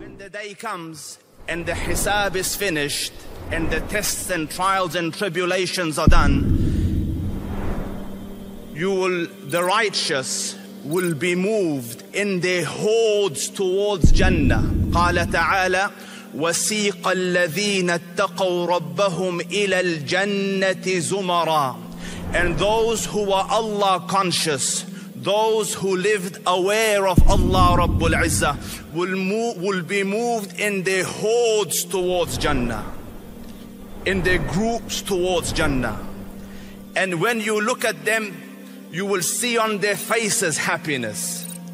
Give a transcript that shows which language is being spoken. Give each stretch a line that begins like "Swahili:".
English: Day comes and the hisab is finished and the tests and trials and tribulations are done, the righteous will be moved in their hordes towards Jannah.
Arabic: Qala ta'ala, وَسِيقَ الَّذِينَ اتَّقَوْا رَبَّهُمْ إِلَى الْجَنَّةِ زُمَرًا.
English: And those who are Allah conscious, those who lived aware of Allah Rabbul Izzah, will be moved in their hordes towards Jannah, in their groups towards Jannah. And when you look at them, you will see on their faces happiness.